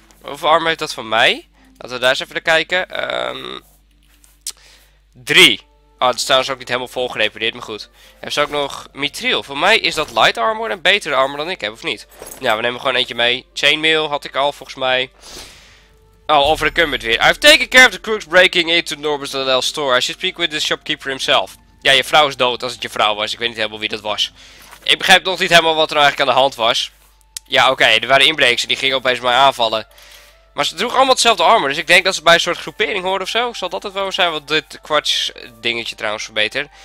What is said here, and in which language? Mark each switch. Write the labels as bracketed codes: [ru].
[nl] Hoeveel armor heeft dat van mij? Laten we daar eens even naar kijken. 3. Ah, dat staan ze ook niet helemaal vol gerepareerd, maar goed. Hebben ze ook nog mithril? Voor mij is dat light armor en betere armor dan ik heb, of niet? Nou, we nemen gewoon eentje mee. Chainmail had ik al, volgens mij. Oh, over de cummet weer. [en] I've taken care of the crooks breaking into Norbert's LL store. I should speak with the shopkeeper himself. [nl] Ja, je vrouw is dood als het je vrouw was. Ik weet niet helemaal wie dat was. Ik begrijp nog niet helemaal wat er eigenlijk aan de hand was. Ja, oké, er waren inbrekers en die gingen opeens mij aanvallen. Maar ze droegen allemaal hetzelfde armor, dus ik denk dat ze bij een soort groepering hoorden of zo. Zal dat het wel zijn, wat dit kwarts dingetje trouwens verbetert.